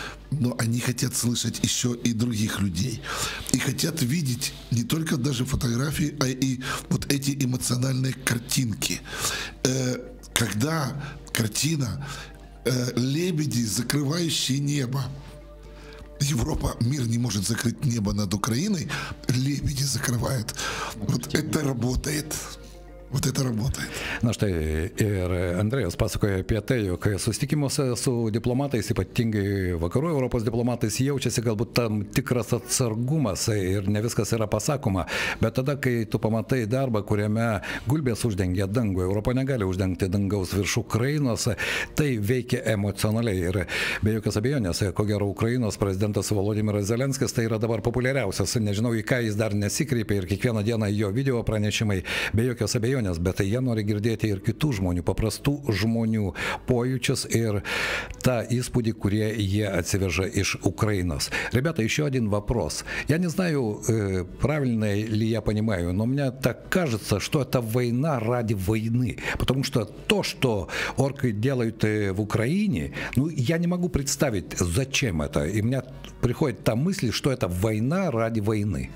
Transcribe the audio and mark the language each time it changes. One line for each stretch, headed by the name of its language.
Russian: Но они хотят слышать еще и других людей. И хотят видеть не только даже фотографии, а и вот эти эмоциональные картинки. Когда картина лебеди, закрывающие небо. Европа, мир не может закрыть небо над Украиной. Лебеди закрывают. Вот это работает. Вот это работает.
Lithuanian: Na štai ir Andrejus pasakoja apie tai, jog susitikimuose su diplomatais, ypatingai vakarų Europos diplomatais, jaučiasi galbūt tam tikras atsargumas ir ne viskas yra pasakoma. Bet tada, kai tu pamatai darbą, kuriame gulbės uždengia dangų, Europa negali uždengti dangaus virš Ukrainos, tai veikia emocionaliai. Ir be jokios abejonės, ko gero Ukrainos prezidentas Volodymyras Zelenskis, tai yra dabar populiariausias. Nežinau, į ką jis dar nesikreipė ir kiekvieną dieną jo video pranešimai, be jokios abejonės, bet jie nori girdėti ir kitų žmonių, paprastų žmonių pojūčius ir tą įspūdį, kurie jie atsiveža iš Ukrainos.
Russian: Ребята, еще один вопрос. Я не знаю, правильно ли я понимаю, но мне так кажется, что это война ради войны, потому что то, что орки делают в Украине, ну, я не могу представить, зачем это. И мне приходит та мысль, что это война ради войны.